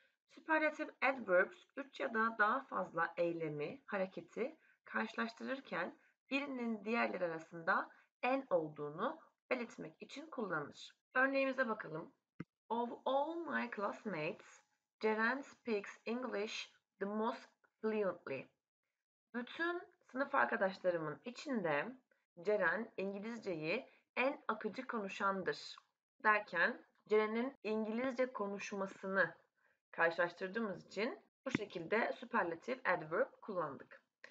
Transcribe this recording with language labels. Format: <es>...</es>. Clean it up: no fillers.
<tr>Superlative adverbs, üç ya da daha fazla eylemi, hareketi karşılaştırırken birinin diğerleri arasında en olduğunu belirtmek için kullanılır. Örneğimize bakalım.</tr> <en>Of all my classmates, Ceren speaks English the most fluently.</en> <tr>Bütün sınıf arkadaşlarımın içinde Ceren İngilizceyi en akıcı konuşandır derken Ceren'in İngilizce konuşmasını karşılaştırdığımız için bu şekilde superlative adverb kullandık.</tr>